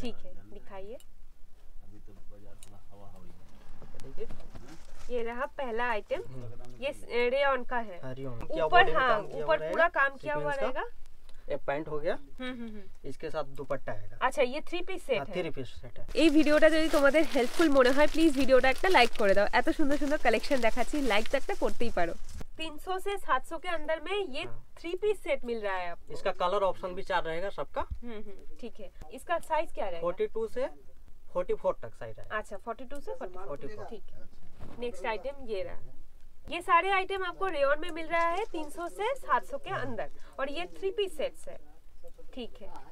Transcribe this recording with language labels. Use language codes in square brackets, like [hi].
[hi] ठीक है, दिखाइए। ये रहा पहला आइटम, ये रेयॉन का है, ऊपर, हाँ ऊपर पूरा काम किया हुआ रहेगा, एक पैंट हो गया, इसके साथ दुपट्टा आएगा। अच्छा, ये 3-piece सेट है, 3-piece सेट है। [bn] ये ভিডিওটা যদি তোমাদের হেল্পফুল মনে হয় প্লিজ ভিডিওটা একটা লাইক করে দাও, এত সুন্দর সুন্দর কালেকশন দেখাচ্ছি, লাইক তো একটা করতেই পারো। [hi] 300 से 700 के अंदर में ये 3-piece सेट मिल रहा है आपको। इसका कलर ऑप्शन भी चार रहेगा सबका, ठीक है। इसका साइज क्या रहेगा? 42 से 44 तक साइज है। अच्छा, 42 से 44, ठीक है। नेक्स्ट आइटम ये रहा, ये सारे आइटम आपको रेयॉन में मिल रहा है 300 से 700 के अंदर और ये 3-piece सेट्स है, ठीक है।